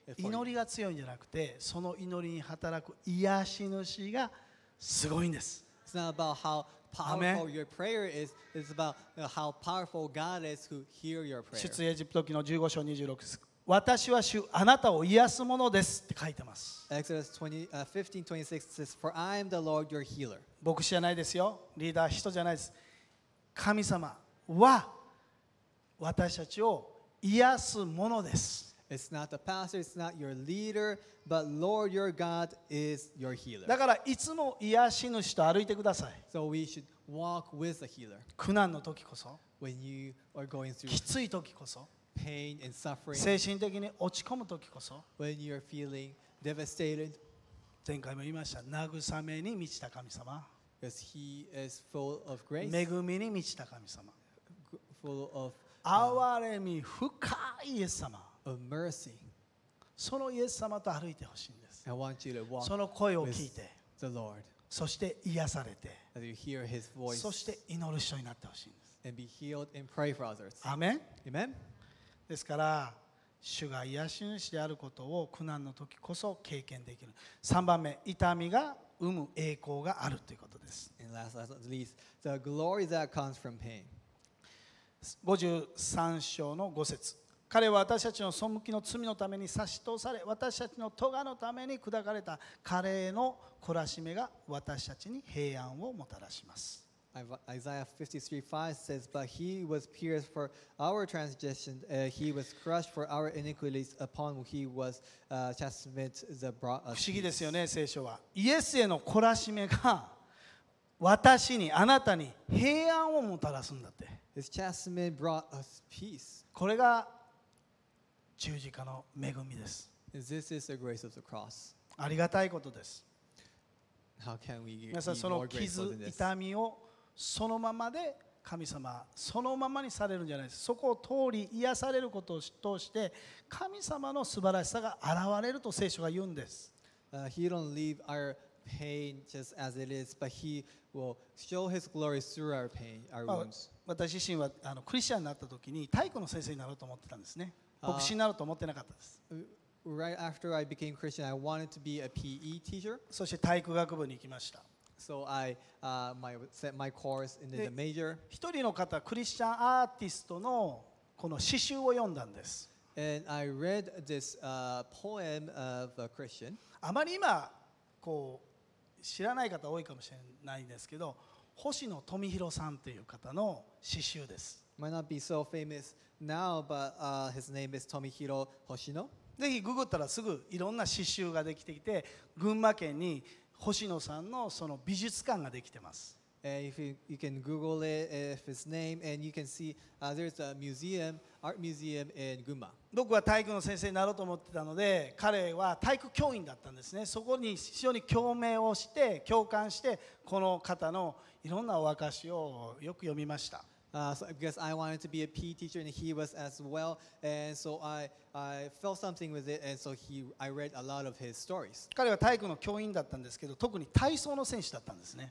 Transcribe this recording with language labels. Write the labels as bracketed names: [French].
[Japanese] 祈りが強いんじゃなくて、その祈りに働く癒し主がすごいんです。 [English] It's not about how powerful your prayer is. It's about how powerful God is who hear your prayer. [Japanese] 出エジプト記の15章26節。私は主あなたを癒すものですって書いてます。 [English] Exodus 15:26 says, For I am the Lord your healer. [Japanese] 牧師じゃないですよ、リーダー、人じゃないです。神様は私たちを癒すものです。 [English] It's not the pastor, it's not your leader, but Lord your God is your healer. [Japanese] だからいつも癒し主と歩いてください。 [English] So we should walk with the healer. [Japanese] 苦難の時こそ、 [English] When you are going through [Japanese] きつい時こそ、 [English] Pain and suffering. [Japanese] 精神的に落ち込む時こそ、 [English] When you're feeling devastated, [Japanese] 前回も言いました、慰めに満ちた神様、 [English] Because he is full of grace, [Japanese] 恵みに満ちた神様、 [English] Full of [Japanese] 憐れみ深いイエス様、 [English] of mercy. [Japanese] そのイエス様と歩いてほしいんです。 [English] I want you to walk, [Japanese] その声を聞いて、 [English] with the Lord. [Japanese] そして癒されて、 [English] As you hear his voice. [Japanese] そして祈る人になってほしいんです。 [English] And be healed and pray for others. Amen. Amen. [Japanese] ですから主が癒し主であることを苦難の時こそ経験できる。 3番目、痛みが生む栄光があるということです。 [English] And last but not least, the glory that comes from pain. [Japanese] 53章の5節、彼は私たちの背きの罪のために差し通され、私たちの咎のために砕かれた。彼の懲らしめが私たちに平安をもたらします。 [English] Isaiah 53:5 says, But he was pierced for our transgressions, he was crushed for our iniquities, upon whom he was chastened that brought us peace. [Japanese] 不思議ですよね、聖書は。イエスへの懲らしめが私に、あなたに平安をもたらすんだって。 [English] His chastisement brought us peace. [Japanese] これが十字架の恵みです。 [English] This is the grace of the cross. [Japanese] ありがたいことです。 [English] How can we be more grateful than this? [Japanese] 皆さん、その傷、痛みをそのままで神様そのままにされるんじゃないです。そこを通り癒されることを通して神様の素晴らしさが現れると聖書が言うんです。 [English] He don't leave our pain just as it is, but he will show his glory through our pain, our wounds. [Japanese] 私自身はクリスチャンになった時に体育の先生になろうと思ってたんですね。牧師になろうと思ってなかったです。 [English] Right after I became Christian, I wanted to be a PE teacher. [Japanese] そして体育学部に行きました。 [English] So I set my course into the major. [Japanese] 一人の方、クリスチャンアーティストのこの詩集を読んだんです。 [English] And I read this poem of a Christian. [Japanese] あまり今こう知らない方多いかもしれないんですけど、星野富弘さんという方の詩集です。 [English] Might not be so famous now, but his name is Tomihiro Hoshino. [Japanese] ぜひググったらすぐいろんな詩集ができてきて、群馬県に星野さん の, その美術館ができてます。 [English] If you can Google it, if his name, and you can see there's a museum, art museum in Gunma. [Japanese] 僕は体育の先生になろうと思ってたので、彼は体育教員だったんですね。そこに非常に共鳴をして、共感して、この方のいろんなお証しをよく読みました。 [English] So because I wanted to be a PE teacher and he was as well, and so I felt something with it, and so I read a lot of his stories. [Japanese] 彼は体育の教員だったんですけど、特に体操の選手だったんですね。